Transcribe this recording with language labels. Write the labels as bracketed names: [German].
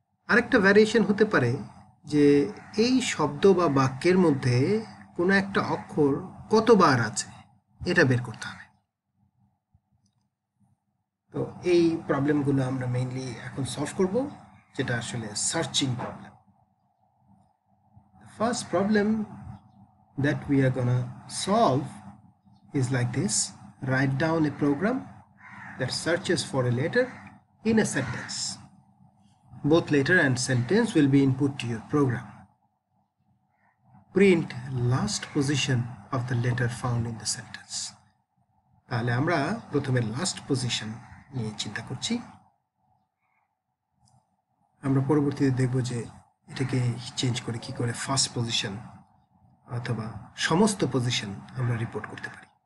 [Bangla] আরেকটা ভ্যারিয়েশন হতে পারে যে এই শব্দ বা বাক্যের মধ্যে কোনো একটা অক্ষর কতবার আছে এটা বের করতে হবে। তো এই প্রবলেমগুলো আমরা মেইনলি এখন সলভ করব, যেটা আসলে searching problem. [English] First problem that we are gonna solve is like this: write down a program that searches for a letter in a sentence. Both letter and sentence will be input to your program. Print last position of the letter found in the sentence. [Bangla] তাহলে আমরা প্রথমে last position নিয়ে চিন্তা করছি। আমরা পরবর্তীতে দেখব যে এটাকে চেঞ্জ করে কি করে first position অথবা সমস্ত position আমরা রিপোর্ট করতে পারি।